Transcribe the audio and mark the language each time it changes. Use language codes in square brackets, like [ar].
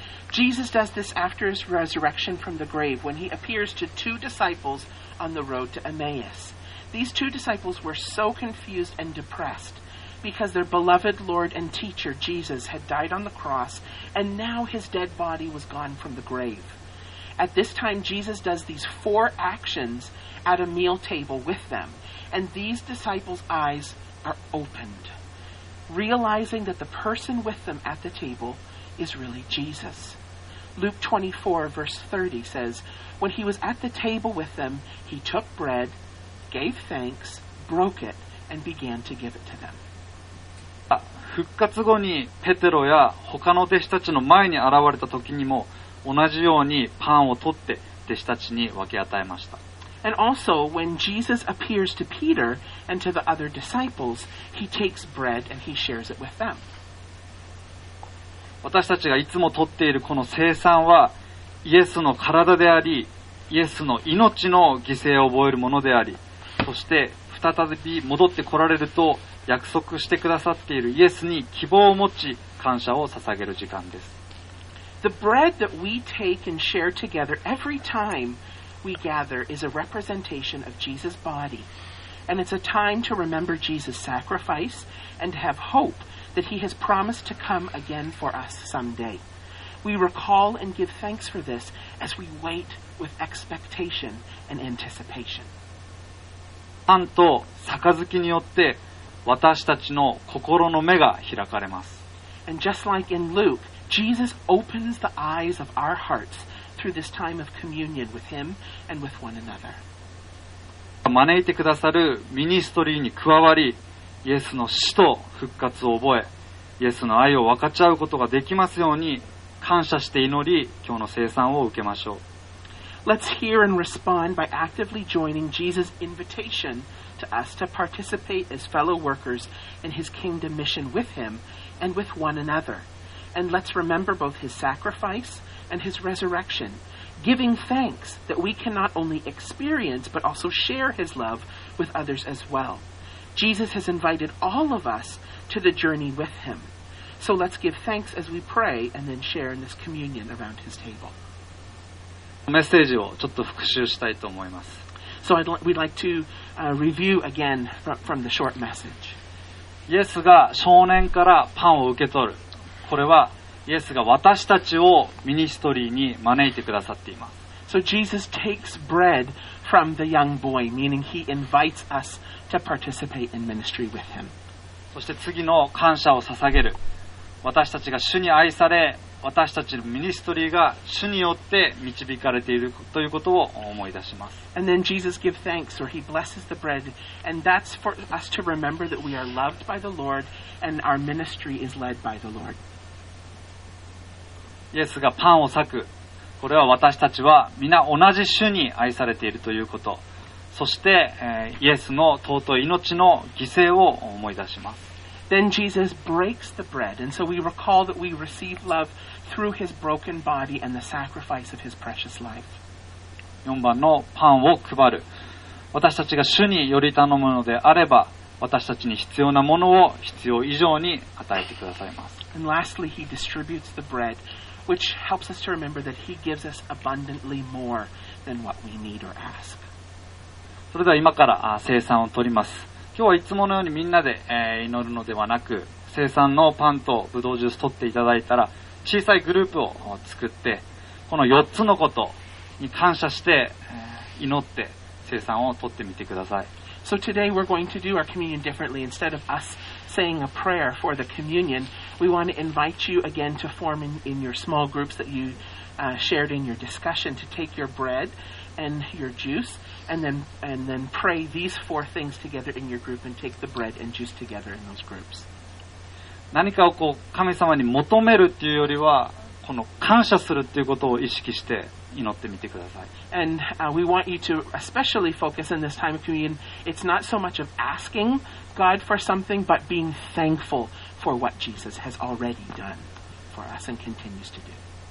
[en] Jesus does this after his resurrection from the grave when he appears to two disciples on the road to Emmaus. These two disciples were so confused and depressed because their beloved Lord and teacher Jesus had died on the cross and now his dead body was gone from the grave. At this time, Jesus does these four actions at a meal table with them and these disciples' eyes are opened, realizing that the person with them at the table is really Jesus. Luke 24, verse 30 says, When he was at the table with them, he took bread, gave thanks, broke it, and began to give it to them. [ja] 復活後にペテロや他の弟子たちの前に現れた時にも同じようにパンを取って弟子たちに分け与えました。 [en] And also, when Jesus appears to Peter and to the other disciples, he takes bread and he shares it with them. [ja] 私たちがいつも取っているこの聖餐は、イエスの体であり、イエスの命の犠牲を覚えるものであり、そして再び戻って来られると約束してくださっているイエスに希望を持ち、感謝を捧げる時間です。 [en] The bread that we take and share together every time we gather is a representation of Jesus' body, and it's a time to remember Jesus' sacrifice and to have hope that he has promised to come again for us someday. We recall and give thanks for this as we wait with expectation and anticipation. [ja] パンと杯によって私たちの心の目が開かれます。 [en] And just like in Luke, Jesus opens the eyes of our hearts through this time of communion with him and with one another. [ja] 招いてくださるミニストリーに加わり、イエスの死と復活を覚え、イエスの愛を分かち合うことができますように感謝して祈り、今日の聖餐を受けましょう。 [en] Let's hear and respond by actively joining Jesus' invitation to us to participate as fellow workers in his kingdom mission with him and with one another. And let's remember both his sacrifice and his resurrection, giving thanks that we can not only experience but also share his love with others as well. Jesus has invited all of us to the journey with him. So let's give thanks as we pray and then share in this communion around his table. [ja] メッセージをちょっと復習したいと思います。 [en] So we'd like to review again from the short message. [ja] イエスが少年からパンを受け取る。これはイエスが私たちをミニストリーに招いてくださっています。 [en] So Jesus takes bread from the young boy, meaning he invites us to participate in ministry with him. [ja] そして次の感謝を捧げる。私たちが主に愛され、私たちのミニストリーが主によって導かれているということを思い出します。 [en] And then Jesus gives thanks or he blesses the bread, and that's for us to remember that we are loved by the Lord and our ministry is led by the Lord. [ja] イエスがパンを裂く。これは私たちは皆同じ主に愛されているということ。そしてイエスの尊い命の犠牲を思い出します。 [en] Then Jesus breaks the bread, and so we recall that we receive love through his broken body and the sacrifice of his precious life. [ja] 4番のパンを配る。私たちが主により頼むのであれば、私たちに必要なものを必要以上に与えてくださいます。 [en] And lastly, he distributes the bread, which helps us to remember that he gives us abundantly more than what we need or ask. [ja] それでは今から聖餐を取ります。今日はいつものようにみんなで祈るのではなく、聖餐のパンとブドウジュース取っていただいたら、小さいグループを作って、この4つのことに感謝して祈って聖餐を取ってみてください。 [en] So today we're going to do our communion differently. Instead of us saying a prayer for the communion, we want to invite you again to form in your small groups that you shared in your discussion to take your bread. And your juice, and then pray these four things together in your group, and take the bread and juice together in those groups. [ja] 何かをこう神様に求めるっていうよりは、この感謝するっていうことを意識して祈ってみてください。 [en] And we want you to especially focus in this time of communion. It's not so much of asking God for something, but being thankful for what Jesus has already done for us and continues to do.